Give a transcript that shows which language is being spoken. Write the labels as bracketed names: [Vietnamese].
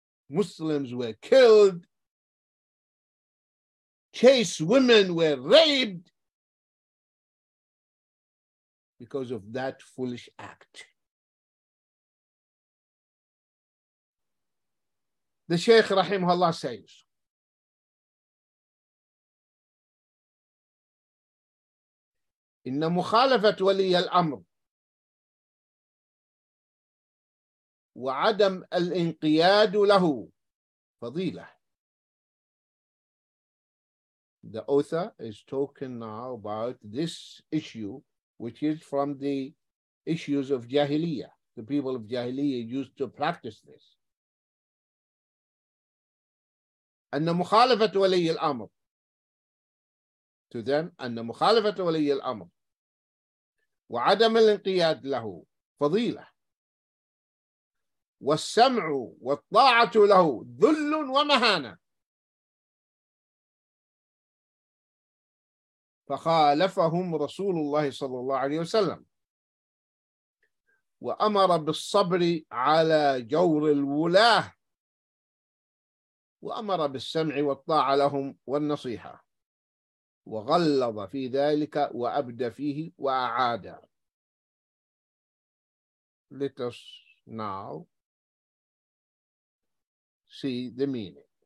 [English] Muslims were killed. Chaste women were raped because of that foolish act. The Shaykh Rahimahullah says, [Arabic] إن مخالفة ولي الأمر وعدم الانقياد له فضيلة. [English] The author is talking now about this issue, which is from the issues of Jahiliyyah. The people of Jahiliyyah used to practice this. [Arabic] أن مخالفة ولي الأمر [English] to them, [Arabic] أن مخالفة ولي الأمر وعدم الانقياد له فضيلة والسمع والطاعة له ذل ومهانة فخالفهم رسول الله صلى الله عليه وسلم وأمر بالصبر على جور الولاة وأمر بالسمع والطاعة لهم والنصيحة وغلظ في ذلك وأبدى فيه وأعاد. [English] Let us now see the meaning.